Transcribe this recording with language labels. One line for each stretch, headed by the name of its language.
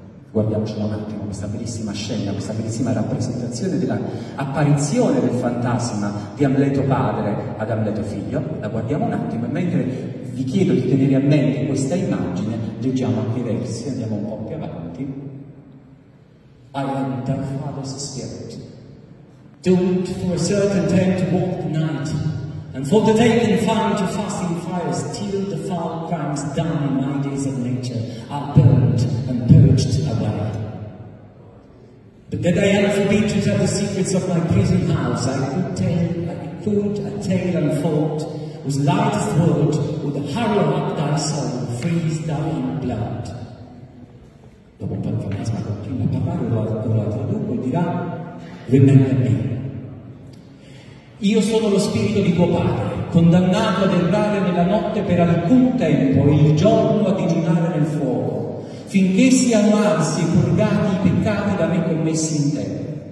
Italian: Guardiamoci un attimo questa bellissima scena, questa bellissima rappresentazione dell'apparizione del fantasma di Amleto padre ad Amleto figlio. La guardiamo un attimo e mentre vi chiedo di tenere a mente questa immagine, leggiamo anche i versi, andiamo un po' più avanti.
English: I am the father's spirit, doomed for a certain time to walk the night, and for the day confined to fasting fires, till the foul crimes done in my days of nature are burnt and purged away. But that I am forbid to tell the secrets of my prison house, I could a tale unfold, whose last word would harrow up thy soul, freeze thou in blood.
Italian: Dopo un po' di fantasma continua a parlare, lo traduco e dirà:
English: remember me.
Italian: Io sono lo spirito di tuo padre, condannato ad entrare nella notte per alcun tempo e il giorno a digiunare nel fuoco, finché siano arsi e purgati i peccati da me commessi in te.